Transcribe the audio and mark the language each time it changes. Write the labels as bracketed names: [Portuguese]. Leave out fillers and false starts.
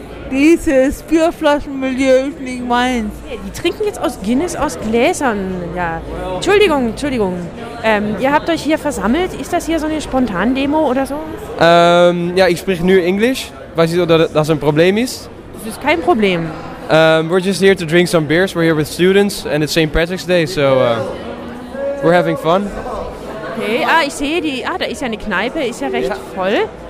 [German] Dieses Bierflaschenmilieu ist nicht meins. Die trinken jetzt aus Guinness, aus Gläsern. Ja. Entschuldigung. Ihr habt euch hier versammelt. Ist das hier so eine Spontan-Demo oder so? Ja, ich spreche nur Englisch. Weiß nicht, ob das ein Problem ist. Das ist kein Problem. [English] We're just here to drink some beers. We're here with students and it's St. Patrick's Day, so we're having fun. [German] Okay, ich sehe die, da ist ja eine Kneipe, ist ja recht voll.